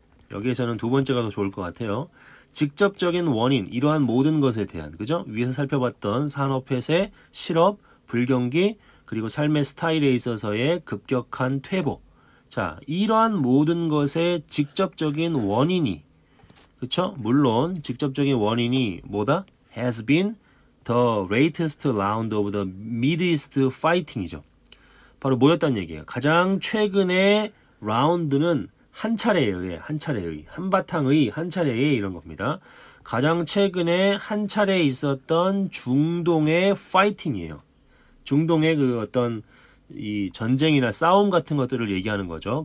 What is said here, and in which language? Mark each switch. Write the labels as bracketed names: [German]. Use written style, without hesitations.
[Korean] 여기에서는 두 번째가 더 좋을 것 같아요. 직접적인 원인, 이러한 모든 것에 대한, 그죠? 위에서 살펴봤던 산업 폐쇄, 실업, 불경기, 그리고 삶의 스타일에 있어서의 급격한 퇴보. 자, 이러한 모든 것의 직접적인 원인이, 그쵸? 물론, 직접적인 원인이 뭐다? [English] Has been the latest round of the Mideast fighting이죠. [Korean] 바로 뭐였단 얘기예요? 가장 최근의 라운드는 한 차례예요. 한 차례의. 한바탕의 한 차례의 이런 겁니다. 가장 최근에 한 차례 있었던 중동의 파이팅이에요. 중동의 그 어떤 이 전쟁이나 싸움 같은 것들을 얘기하는 거죠.